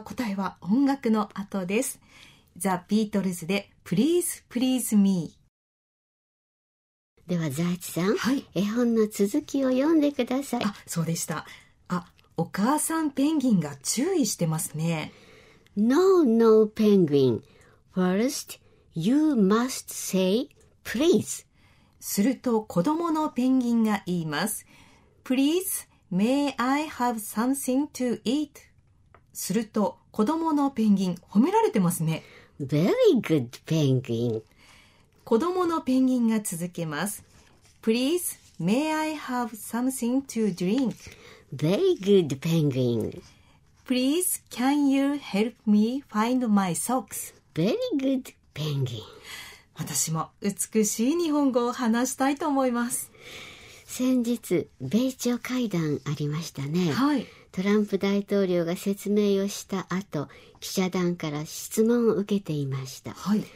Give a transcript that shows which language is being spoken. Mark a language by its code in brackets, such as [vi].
[ja] 答えは音楽の後です。ザ・ビートルズで Please Please Me。では財津さん、はい、絵本の続きを読んでください。あ、そうでした。あ、お母さんペンギンが注意してますね。 [en] No, no, penguin. First, you must say please. [ja] すると子供のペンギンが言います。 [en] Please, may I have something to eat? [ja] すると子供のペンギン褒められてますね。 [en] Very good penguin. [ja] 子供のペンギンが続けます。 [en] Please may I have something to drink? Very good penguin. Please can you help me find my socks? Very good penguin. [ja] 私も美しい日本語を話したいと思います。先日米朝会談ありましたね、はい、トランプ大統領が説明をした後記者団から質問を受けていました、はい、